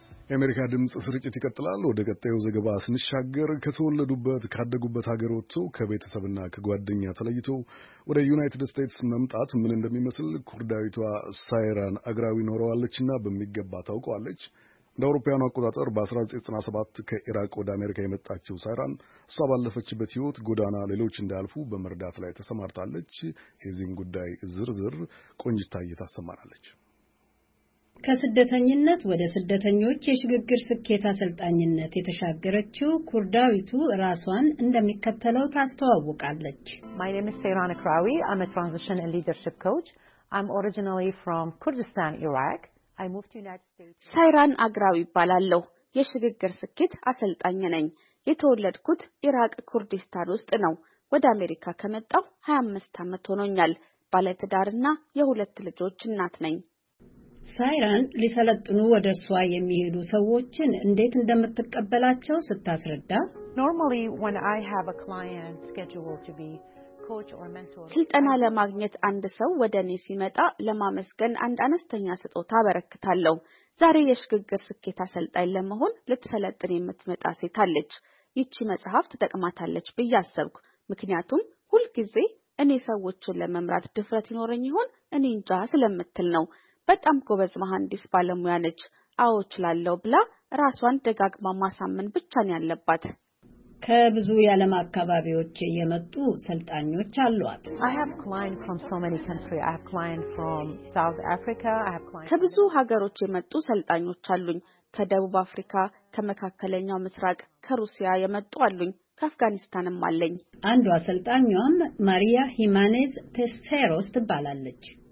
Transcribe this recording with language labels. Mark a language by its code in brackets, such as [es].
[am] የአሜሪካ ድምፅ ስርጭት ይቀጥላል። ወደ ቀጣዩ ዘገባ ስንሻገር ከተወለዱበት ካደጉበት ሀገር ወጥቶ ከቤተሰብና ከጓደኛ ተለይቶ ወደ ዩናይትድ ስቴትስ መምጣት ምን እንደሚመስል ኩርዳዊቷ ሳይራን አግራዊ ኖረዋለችና በሚገባ ታውቀዋለች። እንደ አውሮፓውያኑ አቆጣጠር በ1997 ከኢራቅ ወደ አሜሪካ የመጣችው ሳይራን እሷ ባለፈችበት ህይወት ጎዳና ሌሎች እንዳልፉ በመርዳት ላይ ተሰማርታለች። የዚህም ጉዳይ ዝርዝር ቆንጅታ እየታሰማናለች። ከስደተኝነት ወደ ስደተኞች የሽግግር ስኬት አሰልጣኝነት የተሻገረችው ኩርዳዊቱ ራሷን እንደሚከተለው ታስተዋውቃለች። [en] My name is Sayran Akrawi. I'm a transition and leadership coach. I'm originally from Kurdistan, Iraq. I moved to United States. [am] ሳይራን አግራዊ ይባላለሁ። የሽግግር ስኬት አሰልጣኝ ነኝ። የተወለድኩት ኢራቅ ኩርዲስታን ውስጥ ነው። ወደ አሜሪካ ከመጣሁ 25 ዓመት ሆኖኛል። ባለትዳርና የሁለት ልጆች እናት ነኝ። ሳይራን ሊሰለጥኑ ወደ ሷ የሚሄዱ ሰዎችን እንዴት እንደምትቀበላቸው ስታስረዳ [en] Normally when I have a client scheduled to be [am] ስልጠና ለማግኘት አንድ ሰው ወደ እኔ ሲመጣ ለማመስገን አንድ አነስተኛ ስጦታ አበረክታለሁ። ዛሬ የሽግግር ስኬት አሰልጣኝ ለመሆን ልትሰለጥን የምትመጣ ሴት አለች። ይቺ መጽሐፍ ትጠቅማታለች ብዬ አሰብኩ። ምክንያቱም ሁልጊዜ እኔ ሰዎችን ለመምራት ድፍረት ይኖረኝ ይሆን እኔ እንጃ ስለምትል ነው። በጣም ጎበዝ መሐንዲስ ባለሙያ ነች። አዎ እችላለሁ ብላ ራሷን ደጋግማ ማሳመን ብቻ ነው ያለባት። ከብዙ የዓለም አካባቢዎች የመጡ ሰልጣኞች አሏት። [en] I have clients from so many countries. I have clients from South Africa. I have clients [am] ከብዙ ሀገሮች የመጡ ሰልጣኞች አሉኝ። ከደቡብ አፍሪካ፣ ከመካከለኛው ምስራቅ፣ ከሩሲያ የመጡ አሉኝ። ከአፍጋኒስታንም አለኝ። አንዷ ሰልጣኛም ማሪያ ሂማኔዝ ቴስቴሮስ ትባላለች።